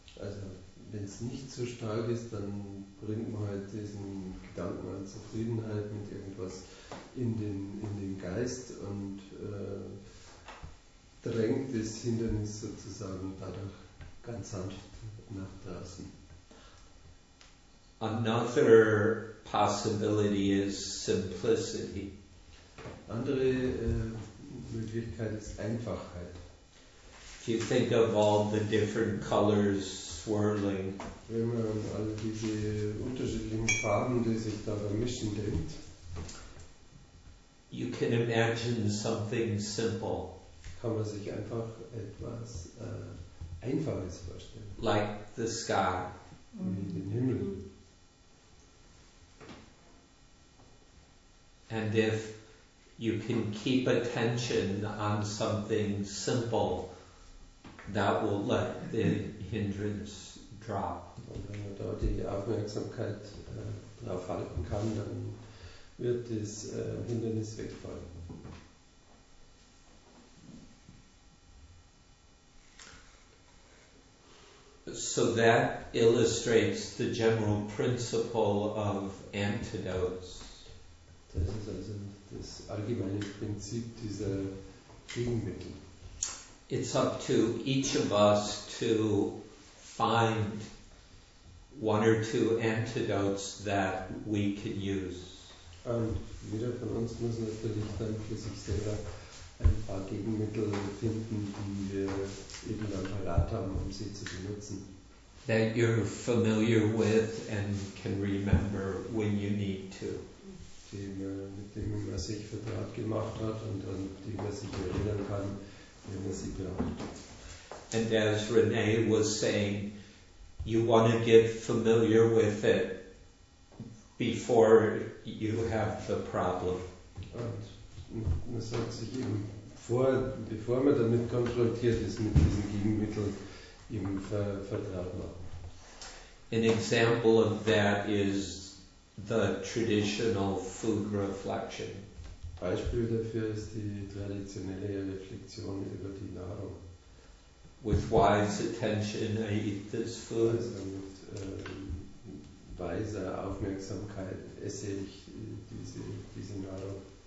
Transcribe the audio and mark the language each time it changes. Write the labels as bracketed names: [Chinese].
[German] Also, wenn es nicht so stark ist, dann bringt man halt diesen Gedanken an Zufriedenheit mit irgendwas in den Geist und drängt das Hindernis sozusagen dadurch ganz sanft nach draußen. [English] Another possibility is simplicity. [German] Andere Möglichkeit ist Einfachheit. [English] If you think of all the different colors swirling. [German] Wenn man an all diese unterschiedlichen Farben, die sich da vermischen, denkt, [English] you can imagine something simple. [German] Kann man sich einfach etwas Einfaches vorstellen. [English] Like the sky. [German] Wie den Himmel. [English] And if you can keep attention on something simple, that will let the hindrance drop. [German] Und wenn man da die Aufmerksamkeit drauf halten kann, dann wird das Hindernis wegfallen. [English] So that illustrates the general principle of antidotes. [German] Das ist also das allgemeine Prinzip dieser Gegenmittel. [English] It's up to each of us to find one or two antidotes that we can use. [German] Und jeder von uns muss natürlich dann für sich selber ein paar Gegenmittel finden, die wir eben dann parat haben, um sie zu benutzen. [English] That you're familiar with and can remember when you need to. [German] Die man mit dem man sich vertraut gemacht hat und an die man sich erinnern kann, wenn man sie braucht. [English] And as Renee was saying, you want to get familiar with it before you have the problem. [German] Und man sagt sich eben vor, bevor man damit konfrontiert ist, mit diesen Gegenmitteln eben vertraut machen. [English] An example of that is the traditional food reflection. [German] Beispiel dafür ist die traditionelle Reflexion über die Nahrung. [English] With wise attention I eat this food. [German] Also mit weiser Aufmerksamkeit esse ich diese Nahrung.